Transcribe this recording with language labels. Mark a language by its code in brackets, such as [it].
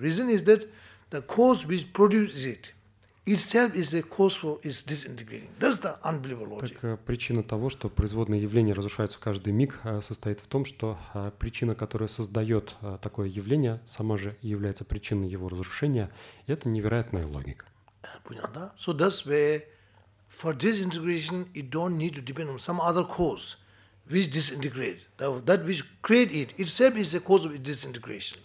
[en] Reason is that the cause which produces it. Itself is a cause for its disintegrating. That's the unbelievable logic. [ru] Так причина того, что производные явления разрушаются каждый миг, состоит в том, что причина, которая создает такое явление, сама же является причиной его разрушения. И это невероятная логика. Понял, да? [en] So that's where for disintegration it don't need to depend on some other cause. Which disintegrate that which create it itself is a cause of its disintegration.